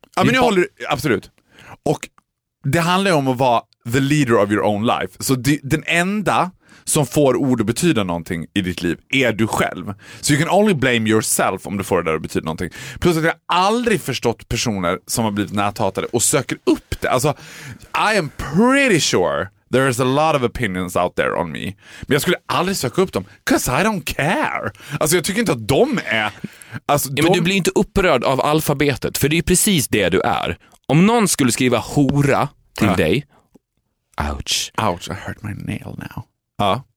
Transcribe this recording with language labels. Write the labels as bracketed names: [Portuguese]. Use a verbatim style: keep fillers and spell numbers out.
[Swedish] Ja, men jag ba- håller... Absolut. Och det handlar ju om att vara [English] the leader of your own life. [Swedish] Så det, den enda som får ord att betyda någonting i ditt liv är du själv. [English] So you can only blame yourself [Swedish] om du får det där att betyda någonting. Plus att jag aldrig förstått personer som har blivit näthatade och söker upp det. [English] Alltså, I am pretty sure there is a lot of opinions out there on me. [Swedish] Men jag skulle aldrig söka upp dem. [English] 'Cause I don't care. [Swedish] Alltså jag tycker inte att de är... Alltså, ja, de... Men du blir inte upprörd av alfabetet. För det är precis det du är. Om någon skulle skriva hora till ja. dig... Ouch. [English] Ouch, I hurt my nail now. [Swedish] Ja.